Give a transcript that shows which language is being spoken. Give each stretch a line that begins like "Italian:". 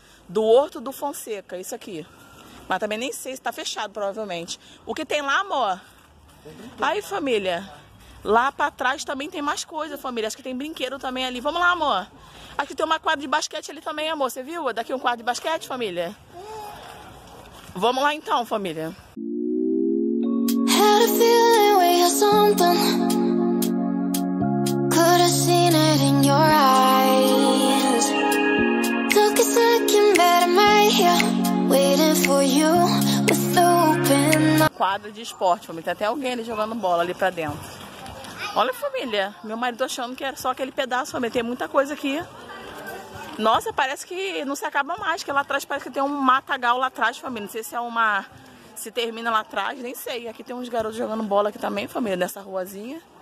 Portuguese: Do Horto do Fonseca. Isso aqui. Mas também nem sei se tá fechado, provavelmente. O que tem lá, amor? Aí, família. Lá pra trás também tem mais coisa, família. Acho que tem brinquedo também ali. Vamos lá, amor. Aqui tem uma quadra de basquete ali também, amor. Você viu? Daqui um quadro de basquete, família. Vamos lá então, família.
English: Had a feeling we had something. Could have seen it in your eyes. Took a second, but I'm right here. Waiting for you with open.
Portuguese: Quadro de esporte, família. Tem até alguém ali jogando bola ali pra dentro. Olha, família, meu marido achando que era só aquele pedaço, família, tem muita coisa aqui. Nossa, parece que não se acaba mais, que lá atrás parece que tem um matagal lá atrás, família. Não sei se é uma... se termina lá atrás, nem sei. Aqui tem uns garotos jogando bola aqui também, família, nessa ruazinha.